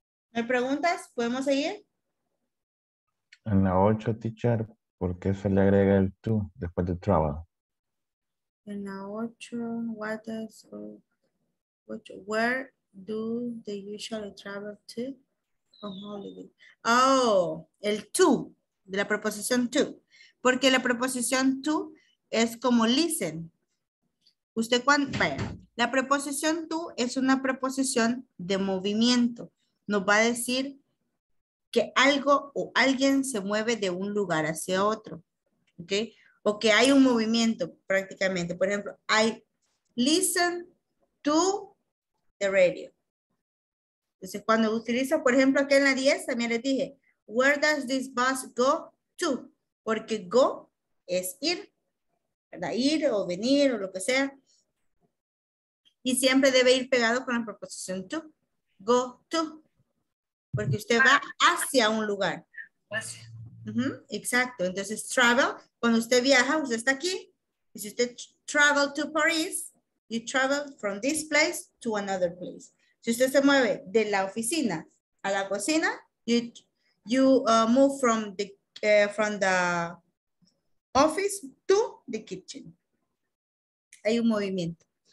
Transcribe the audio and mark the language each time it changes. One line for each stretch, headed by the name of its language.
Spanish: ¿Me preguntas? ¿Podemos seguir? En la 8, teacher, ¿por qué se le agrega el tú después de trabajo? En la 8,
English: what is, which, where do they usually travel to?
Spanish: Oh, el to, de la preposición to, porque la preposición to es como listen. Usted cuando, vaya, la preposición to es una preposición de movimiento. Nos va a decir que algo o alguien se mueve de un lugar hacia otro, ¿ok? O que hay un movimiento prácticamente. Por ejemplo,
English: I listen to the radio.
Spanish: Entonces, cuando utilizo, por ejemplo, aquí en la 10, también les dije,
English: where does this bus go to?
Spanish: Porque go es ir, ¿verdad? Ir o venir o lo que sea. Y siempre debe ir pegado con la preposición to. Go to. Porque usted va hacia un lugar. Uh-huh, exacto. Entonces, travel, cuando usted viaja, usted está aquí. Y si usted
English: travel to Paris, you travel from this place to another place.
Spanish: Si usted se mueve de la oficina a la cocina,
English: you move from the office to the kitchen.
Spanish: Hay un movimiento.